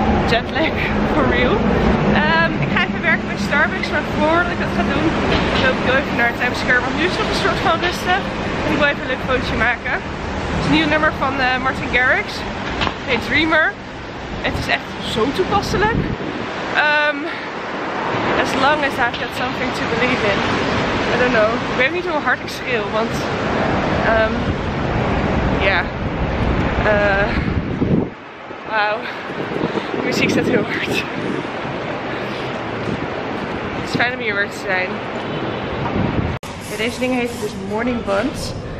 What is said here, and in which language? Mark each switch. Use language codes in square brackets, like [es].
[en] Jetlag, for real. [nl] Ik ga even werken bij Starbucks, maar voordat ik dat ga doen, loop ik heel even naar Times Square. Want nu is het een soort van rustig. En ik wil even een leuk fotootje maken. Het is een nieuw nummer van Martin Garrix. Het heet Dreamer. Het is echt zo toepasselijk. [en] As long as I've got something to believe in. I don't know. [nl] Ik weet niet hoe hard ik schreeuw, want... Wauw. De muziek staat heel hard. Het is fijn om hier weer te zijn. Ja, deze dingen heten dus morning buns.